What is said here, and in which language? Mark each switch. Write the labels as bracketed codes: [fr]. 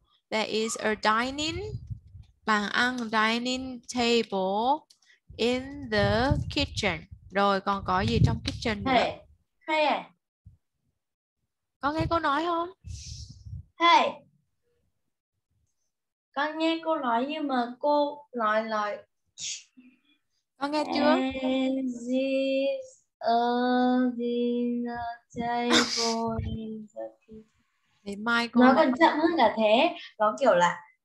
[en] There is a dining, [vi] bàn ăn, [en] dining table in the kitchen. [vi] Rồi còn có gì trong kitchen nữa? Hey. Có nghe cô nói không? Hey. Con nghe cô nói nhưng mà cô nói. Có nghe chưa? [en] There is a dinner table in the kitchen. [vi] Để mai nó còn chậm hơn cả thế, có kiểu là